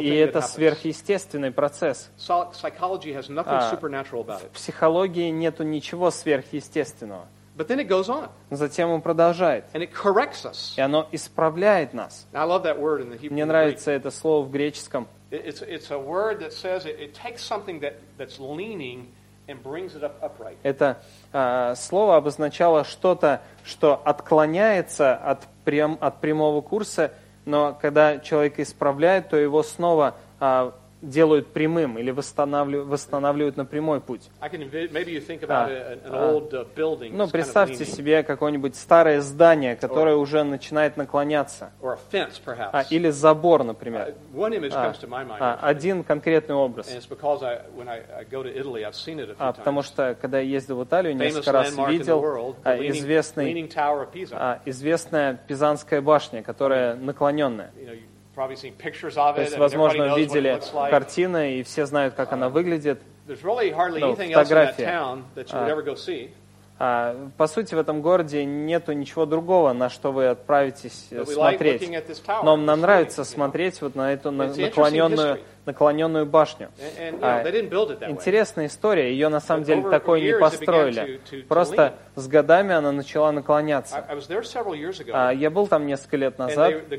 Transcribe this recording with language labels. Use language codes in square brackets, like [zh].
[en] thing. [ru] И это сверхъестественный процесс. [en] Psychology has nothing supernatural about it. [ru] В психологии нету ничего сверхъестественного. [en] But then it goes on. [ru] Затем он продолжает. [en] And it corrects us. [ru] И оно исправляет нас. [en] I love that word in the Hebrew. [ru] Мне нравится это слово в греческом. [en] It's a word that says it takes something that's leaning and brings it up upright. [ru] Это слово обозначало что-то, что отклоняется от прямого курса, но когда человека исправляют, то его снова делают прямым или восстанавливают на прямой путь. [en] Maybe you think about an old building. [ru] Ну, представьте себе какое-нибудь старое здание, которое уже начинает наклоняться. [en] Or a fence, perhaps. [ru] Или забор, например. [en] One image comes to my mind. [ru] Один конкретный образ. [en] And it's because when I go to Italy, I've seen it a few times. [ru] Потому что, когда я ездил в Италию, несколько раз видел [en] leaning tower of Pisa. [ru] Известная Пизанская башня, которая наклоненная. [en] Probably seen pictures of it, [ru] то есть, возможно, видели картины, и все знают, как она выглядит. [en] There's really hardly anything else in that town that you would ever go see. [ru] По сути, в этом городе нету ничего другого, на что вы отправитесь смотреть. [en] Like looking at this tower, [ru] но нам нравится смотреть вот на эту наклоненную башню. Интересная история. Ее, на самом деле, такой не построили. Просто с годами она начала наклоняться. Я был там несколько лет назад.